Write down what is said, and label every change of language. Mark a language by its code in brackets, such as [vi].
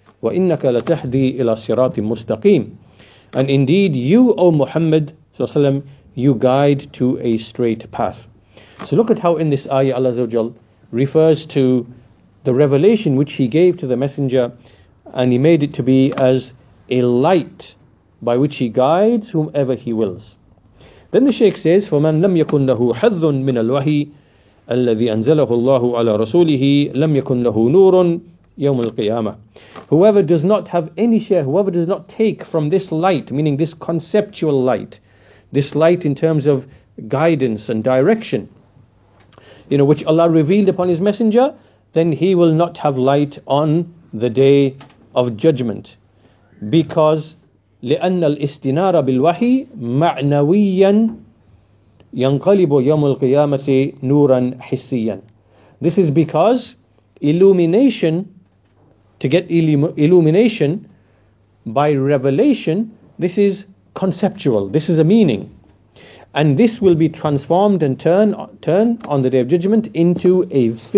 [ar] Wa innaka latahdi ila siratin mustaqim, [en] and indeed you, O Muhammad sallallahu alaihi wasallam, you guide to a straight path. So look at how in this ayah Allah azza wa jalla refers to the revelation which He gave to the messenger, and He made it to be as a light by which He guides whomever He wills. Then the Shaykh says, [ar] فَمَنْ لَمْ يَكُنْ لَهُ حَظٌّ مِنَ الْوَحِي الَّذِي أَنْزَلَهُ اللَّهُ عَلَى رَسُولِهِ لَمْ يَكُنْ لَهُ نُورٌ يَوْمُ الْقِيَامَةِ. [en] Whoever does not have any share, whoever does not take from this light, meaning this conceptual light, this light in terms of guidance and direction, you know, which Allah revealed upon His Messenger, then he will not have light on the day of judgment. Because [ar] لِأَنَّ الْإِسْتِنَارَ بِالْوَحِي مَعْنَوِيًّا يَنْقَلِبُ يَوْمُ الْقِيَامَةِ نُورًا حِسِّيًّا. [en] This is because illumination, to get illumination by revelation, this is conceptual, this is a meaning. And this will be transformed and turn on the day of judgment into a